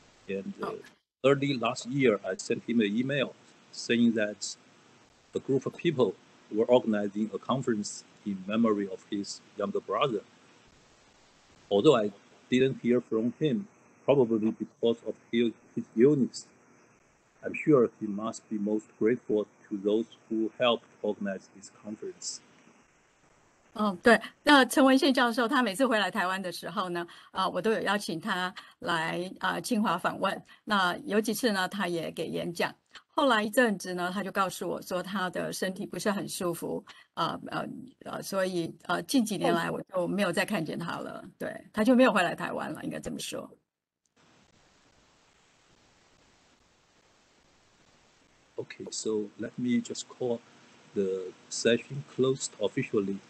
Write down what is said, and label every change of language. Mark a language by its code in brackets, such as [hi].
[en] Early last year, I sent him an email saying that a group of people were organizing a conference in memory of his younger brother. Although I didn't hear from him, probably because of his illness, I'm sure he must be most grateful to those who helped organize this conference. [zh] 对，那陈文宪教授他每次回来台湾的时候呢，我都有邀请他来清华访问。那有几次呢，他也给演讲。后来一阵子呢，他就告诉我说他的身体不是很舒服，所以近几年来我就没有再看见他了。对，他就没有回来台湾了，应该这么说。 [en] Okay, so let me just call the session closed officially.